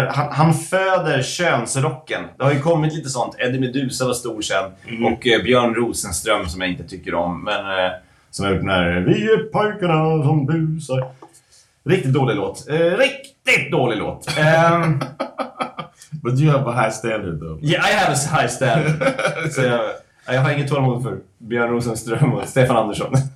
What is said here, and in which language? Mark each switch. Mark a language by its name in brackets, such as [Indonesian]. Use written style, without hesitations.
[Swedish] Han föder könsrocken. Det har ju kommit lite sånt. Eddie Medusa var stor sen. Mm. Och Björn Rosenström som jag inte tycker om, men som är gjort den här Vi är pojkarna som busar. Riktigt dålig låt. Riktigt dålig låt. [English] But you have a high standard though. Yeah, I have a high standard. [Swedish] Så jag har inget tålamod för Björn Rosenström och Stefan Andersson.